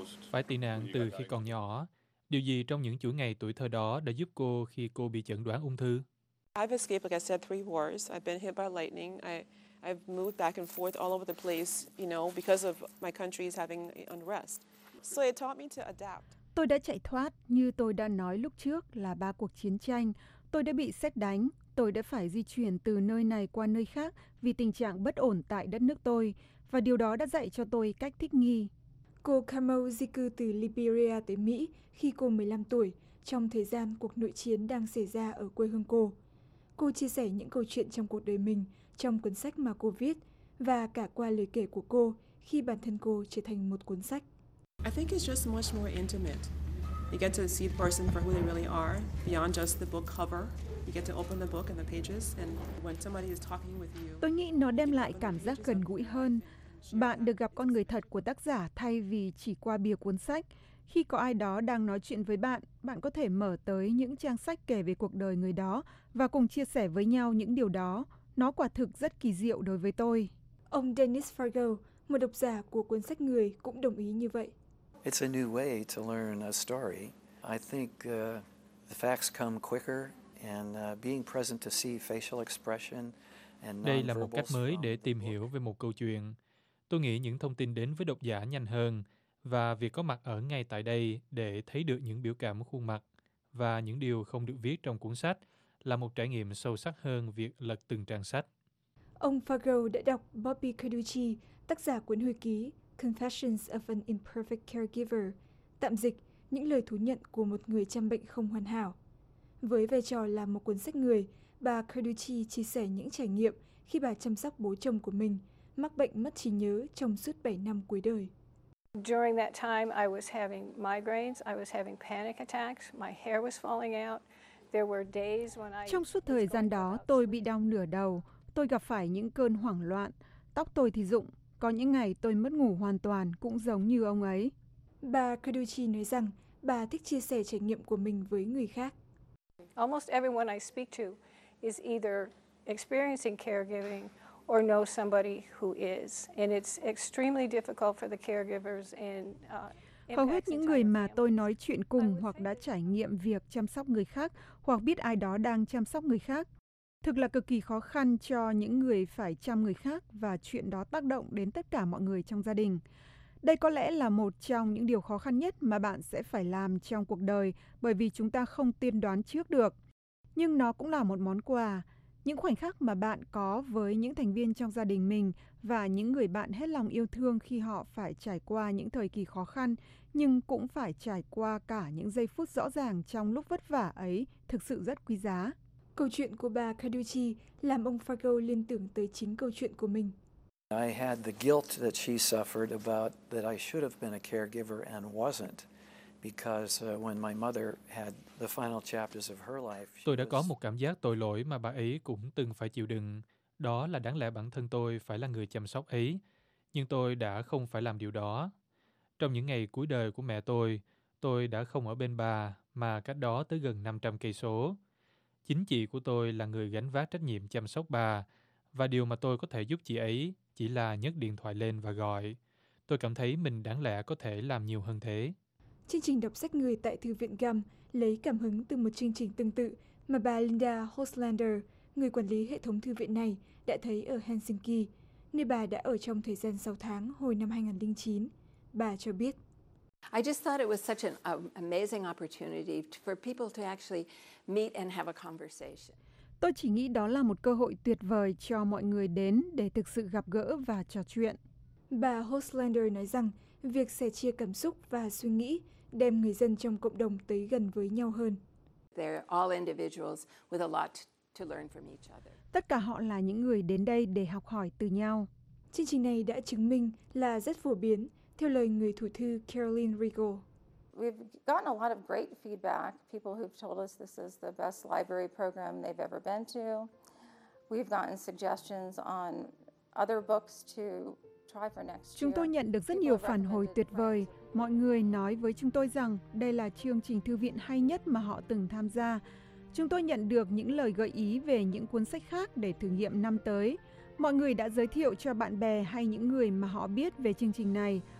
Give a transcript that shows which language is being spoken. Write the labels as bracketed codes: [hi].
[vi] Phải tị nạn từ khi còn nhỏ. Điều gì trong những chuỗi ngày tuổi thơ đó đã giúp cô khi cô bị chẩn đoán ung thư? [en] I've escaped, like I said, three wars. I've been hit by lightning. I've moved back and forth all over the place, you know, because of my country's having unrest. So it taught me to adapt. [vi] Tôi đã chạy thoát, như tôi đã nói lúc trước, là ba cuộc chiến tranh. Tôi đã bị sét đánh. Tôi đã phải di chuyển từ nơi này qua nơi khác vì tình trạng bất ổn tại đất nước tôi. Và điều đó đã dạy cho tôi cách thích nghi. Cô Camo di cư từ Liberia tới Mỹ khi cô 15 tuổi, trong thời gian cuộc nội chiến đang xảy ra ở quê hương cô. Cô chia sẻ những câu chuyện trong cuộc đời mình, trong cuốn sách mà cô viết, và cả qua lời kể của cô khi bản thân cô trở thành một cuốn sách. [en] I think it's just much more intimate. You get to see the person for who they really are, beyond just the book cover. You get to open the book and the pages, and when somebody is talking with you. [vi] Tôi nghĩ nó đem lại cảm giác gần gũi hơn. Bạn được gặp con người thật của tác giả thay vì chỉ qua bìa cuốn sách. Khi có ai đó đang nói chuyện với bạn, bạn có thể mở tới những trang sách kể về cuộc đời người đó và cùng chia sẻ với nhau những điều đó. Nó quả thực rất kỳ diệu đối với tôi. Ông Dennis Fargo, một độc giả của cuốn sách Người, cũng đồng ý như vậy. [en] It's a new way to learn a story. I think the facts come quicker and being present to see facial expression and [vi] đây là một cách mới để tìm hiểu về một câu chuyện. Tôi nghĩ những thông tin đến với độc giả nhanh hơn và việc có mặt ở ngay tại đây để thấy được những biểu cảm khuôn mặt và những điều không được viết trong cuốn sách là một trải nghiệm sâu sắc hơn việc lật từng trang sách. Ông Fargo đã đọc Bobby Carducci, tác giả cuốn hồi ký Confessions of an Imperfect Caregiver, tạm dịch những lời thú nhận của một người chăm bệnh không hoàn hảo. Với vai trò là một cuốn sách người, bà Carducci chia sẻ những trải nghiệm khi bà chăm sóc bố chồng của mình mắc bệnh mất trí nhớ trong suốt 7 năm cuối đời. [en] During that time I was having migraines, I was having panic attacks, my hair was falling out. There were days when I [vi] trong suốt thời gian đó tôi bị đau nửa đầu, tôi gặp phải những cơn hoảng loạn, tóc tôi thì rụng, có những ngày tôi mất ngủ hoàn toàn cũng giống như ông ấy. Bà Carducci nói rằng bà thích chia sẻ trải nghiệm của mình với người khác. [en] Almost everyone I speak to is either experiencing caregiving or know somebody who is, and it's extremely difficult for the caregivers and [vi] hầu hết những người mà tôi nói chuyện cùng hoặc đã trải nghiệm việc chăm sóc người khác hoặc biết ai đó đang chăm sóc người khác. Thực là cực kỳ khó khăn cho những người phải chăm người khác và chuyện đó tác động đến tất cả mọi người trong gia đình. Đây có lẽ là một trong những điều khó khăn nhất mà bạn sẽ phải làm trong cuộc đời bởi vì chúng ta không tiên đoán trước được. Nhưng nó cũng là một món quà. Những khoảnh khắc mà bạn có với những thành viên trong gia đình mình và những người bạn hết lòng yêu thương khi họ phải trải qua những thời kỳ khó khăn nhưng cũng phải trải qua cả những giây phút rõ ràng trong lúc vất vả ấy thực sự rất quý giá. Câu chuyện của bà Carducci làm ông Fargo liên tưởng tới chính câu chuyện của mình. [en] I had the guilt that she suffered about that I should have been a caregiver and wasn't because when my mother had the final chapters of her life. [vi] Tôi đã có một cảm giác tội lỗi mà bà ấy cũng từng phải chịu đựng, đó là đáng lẽ bản thân tôi phải là người chăm sóc ấy, nhưng tôi đã không phải làm điều đó. Trong những ngày cuối đời của mẹ tôi đã không ở bên bà mà cách đó tới gần 500 cây số. Chính chị của tôi là người gánh vác trách nhiệm chăm sóc bà và điều mà tôi có thể giúp chị ấy chỉ là nhấc điện thoại lên và gọi. Tôi cảm thấy mình đáng lẽ có thể làm nhiều hơn thế. Chương trình đọc sách người tại Thư viện GAM lấy cảm hứng từ một chương trình tương tự mà bà Linda Hostlander, người quản lý hệ thống thư viện này, đã thấy ở Helsinki, nơi bà đã ở trong thời gian 6 tháng hồi năm 2009. Bà cho biết. [en] I just thought it was such an amazing opportunity for people to actually meet and have a conversation. [vi] Tôi chỉ nghĩ đó là một cơ hội tuyệt vời cho mọi người đến để thực sự gặp gỡ và trò chuyện. Bà Hostlander nói rằng việc sẻ chia cảm xúc và suy nghĩ đem người dân trong cộng đồng tới gần với nhau hơn. [en] They're all individuals with a lot to learn from each other. [vi] Tất cả họ là những người đến đây để học hỏi từ nhau. Chương trình này đã chứng minh là rất phổ biến, theo lời người thủ thư Caroline Regal. [en] We've gotten a lot of great feedback. People who've told us this is the best library program they've ever been to. We've gotten suggestions on other books to try for next year. [vi] Chúng tôi nhận được rất nhiều phản hồi tuyệt vời. Mọi người nói với chúng tôi rằng đây là chương trình thư viện hay nhất mà họ từng tham gia. Chúng tôi nhận được những lời gợi ý về những cuốn sách khác để thử nghiệm năm tới. Mọi người đã giới thiệu cho bạn bè hay những người mà họ biết về chương trình này.